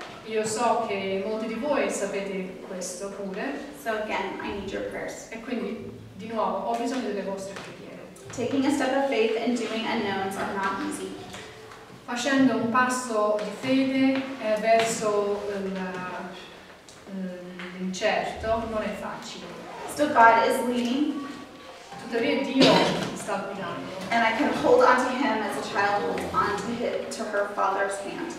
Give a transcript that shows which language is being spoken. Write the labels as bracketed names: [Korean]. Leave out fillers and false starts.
[Italian] Io so che molti di voi sapete questo pure. [English] So again, I need your prayers. [Italian] E quindi, di nuovo, ho bisogno delle vostre preghiere. [English] Taking a step of faith and doing unknowns are not easy. [Italian] Facendo un passo di fede verso l'incerto non è facile. [English] Still God is leading. [Italian] Tuttavia Dio sta guidando. [English] And I can hold on to Him as a child holds on to her father's hand.